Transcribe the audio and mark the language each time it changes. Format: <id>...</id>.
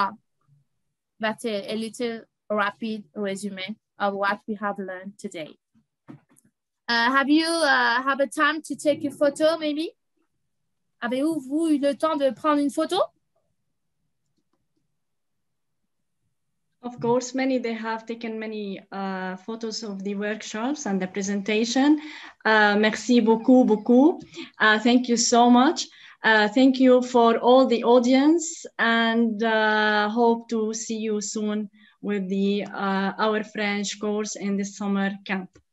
<fr>Deux, trois.</fr> <en>That's a little rapid resume of what we have learned today. Have you have a time to take a photo, maybe?</en> <fr>Avez-vous eu le temps de prendre une photo?</fr> <en>Of course, many, they have taken many photos of the workshops and the presentation.</en> <fr>Merci beaucoup, beaucoup.</fr> <en>Thank you so much. Thank you for all the audience, and hope to see you soon with the our French course in the summer camp.</en>